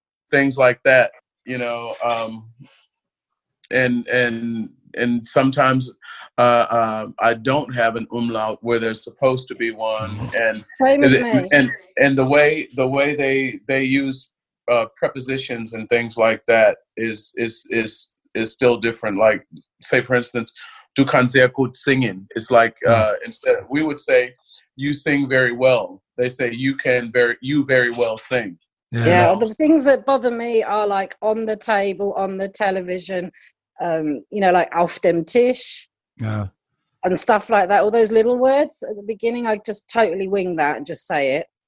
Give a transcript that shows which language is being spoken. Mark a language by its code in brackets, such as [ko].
[en] Things like that, you know. And sometimes I don't have an umlaut where there's supposed to be one. And and the way they use prepositions and things like that is still different. Like, say for instance, [de] Du kannst sehr gut singen. [en] It's like instead we would say, "You sing very well." They say, "You very well sing." Yeah. The things that bother me are like on the table, on the television, you know, like [de] auf dem Tisch, [en] yeah, and stuff like that. All those little words at the beginning, I just totally wing that and just say it.